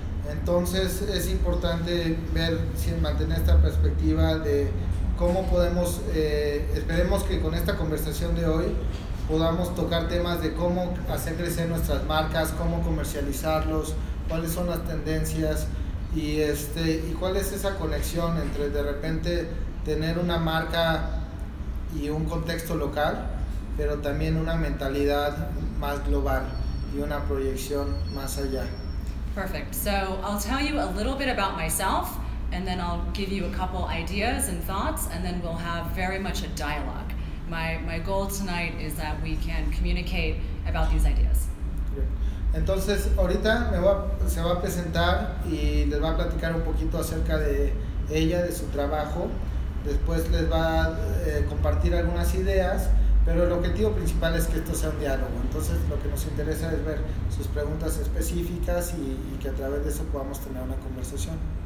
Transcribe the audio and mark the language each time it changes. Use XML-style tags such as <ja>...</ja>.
<es>Entonces es importante ver, mantener esta perspectiva de cómo podemos, esperemos que con esta conversación de hoy podamos tocar temas de cómo hacer crecer nuestras marcas, cómo comercializarlos, cuáles son las tendencias y cuál es esa conexión entre de repente tener una marca y un contexto local, pero también una mentalidad más global y una proyección más allá.</es> <en>Perfect. So I'll tell you a little bit about myself, and then I'll give you a couple ideas and thoughts, and then we'll have very much a dialogue. My goal tonight is that we can communicate about these ideas.</en> <es>Entonces, ahorita se va a presentar y les va a platicar un poquito acerca de ella, de su trabajo. Después les va a compartir algunas ideas, pero el objetivo principal es que esto sea un diálogo. Entonces, lo que nos interesa es ver sus preguntas específicas y que a través de eso podamos tener una conversación.</es>